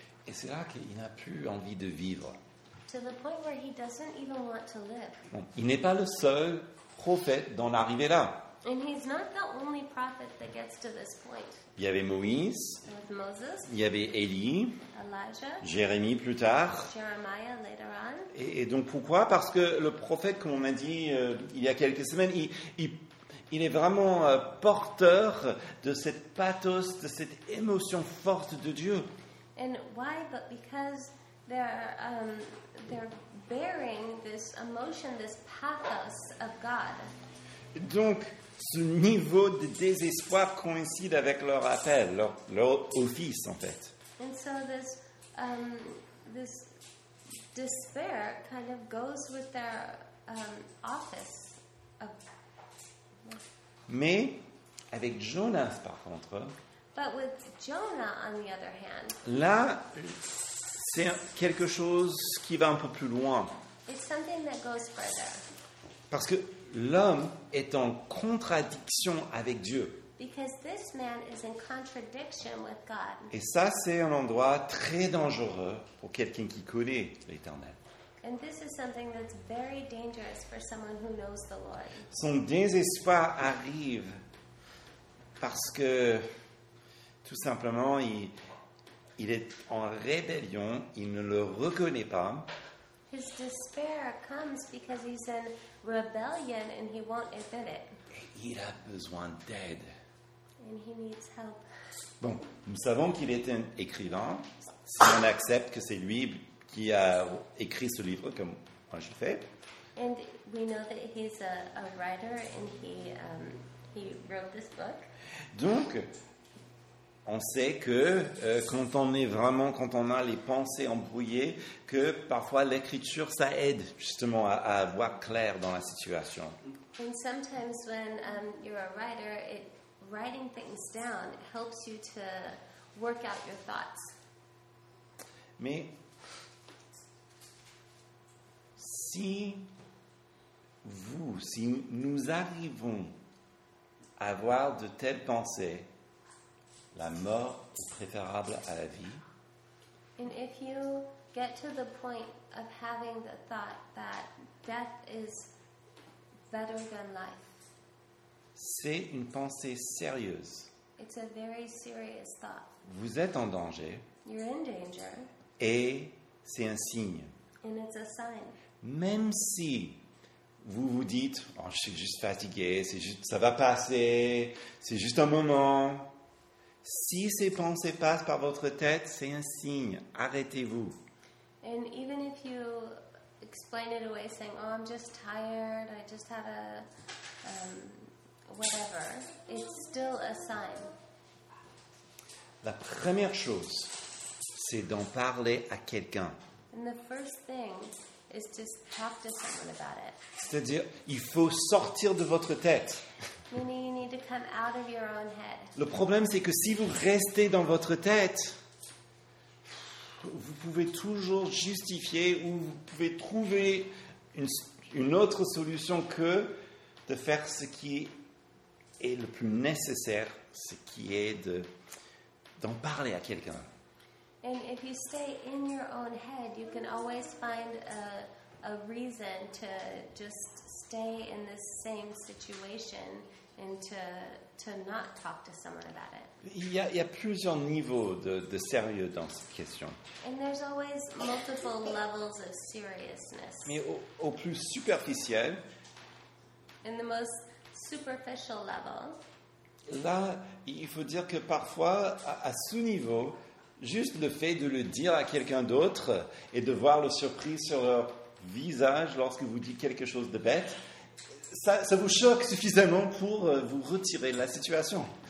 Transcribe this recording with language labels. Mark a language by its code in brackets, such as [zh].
[fr] Et c'est là qu'il n'a plus envie de vivre. [en] To the point where he doesn't even want to live. [fr] Bon, il n'est pas le seul prophète d'en arriver là. [en] And he's not the only prophet that gets to this point. [fr] Il y avait Moïse. [en] With Moses. [fr] Il y avait Élie. [en] Elijah. [fr] Jérémie plus tard. [en] Jeremiah later on. [fr] Et donc pourquoi? Parce que le prophète, comme on a dit il y a quelques semaines, il est vraiment porteur de cette pathos, de cette émotion forte de Dieu. [en] And why? But because they're bearing this emotion, this pathos of God. [fr] Donc, ce niveau de désespoir coïncide avec leur appel, leur office, en fait. [en] And so this this despair kind of goes with their office. Of... [fr] Mais avec Jonas, par contre. [en] But with Jonah, on the other hand. [fr] Là, c'est quelque chose qui va un peu plus loin. [en] It's something that goes further. [fr] Parce que l'homme est en contradiction avec Dieu. [en] Because this man is in contradiction with God. [fr] Et ça, c'est un endroit très dangereux pour quelqu'un qui connaît l'Éternel. [en] And this is something that's very dangerous for someone who knows the Lord. [fr] Son désespoir arrive parce que, tout simplement, il est en rébellion, il ne le reconnaît pas. [en] His despair comes because he's in rebellion and he won't admit it. [fr] Et il a besoin d'aide. [en] And he needs help. [fr] Bon, nous savons qu'il est un écrivain. Si on accepte que c'est lui qui a écrit ce livre, comme moi je le fais. [en] And we know that he's a writer and he wrote this book. [fr] Donc, on sait que quand on est vraiment, quand on a les pensées embrouillées, que parfois l'écriture, ça aide justement à voir clair dans la situation. [en] And sometimes when you're a writer, it writing things down helps you to work out your thoughts. [fr] Mais si vous, si nous arrivons à avoir de telles pensées, la mort est préférable à la vie. [en] And if you get to the point of having the thought that death is better than life, [fr] c'est une pensée sérieuse. [en] It's a very serious thought. [fr] Vous êtes en danger. [en] You're in danger. [fr] Et c'est un signe. [en] And it's a sign. [fr] Même si vous vous dites, oh, je suis juste fatigué, c'est juste, ça va passer, c'est juste un moment. Si ces pensées passent par votre tête, c'est un signe. Arrêtez-vous. [en] And even if you explain it away saying, oh, I'm just tired, I just had a whatever, it's still a sign. [fr] La première chose, c'est d'en parler à quelqu'un. [en] And the first thing is to talk to someone about it. [fr] C'est-à-dire, il faut sortir de votre tête. [en] Meaning you need to come out of your own head. [fr] Le problème, c'est que si vous restez dans votre tête, vous pouvez toujours justifier ou vous pouvez trouver une autre solution que de faire ce qui est le plus nécessaire, ce qui est d'en parler à quelqu'un. [en] And if you stay in your own head, you can always find a reason to just stay in this same situation and to not talk to someone about it. [fr] Il y a plusieurs niveaux de sérieux dans cette question. [en] And there's always multiple levels of seriousness. [fr] Mais au plus superficiel, [en] in the most superficial level, [fr] là, il faut dire que parfois, à ce niveau, juste le fait de le dire à quelqu'un d'autre et de voir le surprise sur leur visage lorsque vous dites quelque chose de bête, ça vous choque suffisamment pour vous retirer de la situation.